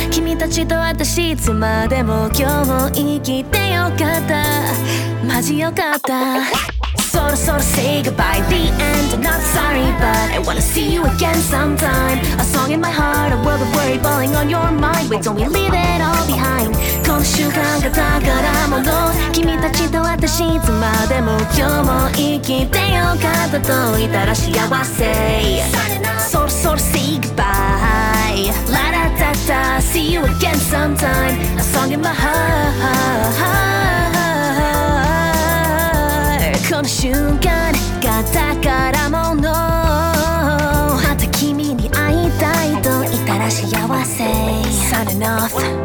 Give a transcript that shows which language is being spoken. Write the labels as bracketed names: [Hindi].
[Japanese] 君たちと私いつまでも今日も生きてよかった。マジよかった。 [English] Sort of say goodbye, the end, I'm not sorry, but I wanna see you again sometime. A song in my heart, a world of worry falling on your mind. Wait, don't we leave it all behind? [Japanese] この瞬間が宝物。君たちと私いつまでも今日も生きてよかったといたら幸せ。 [English] Sort of say goodbye, la da da da, see you again sometime. A song in my heart, [Japanese] この瞬間が宝物。また君に会いたいといたら幸せ。 [English] Signing off。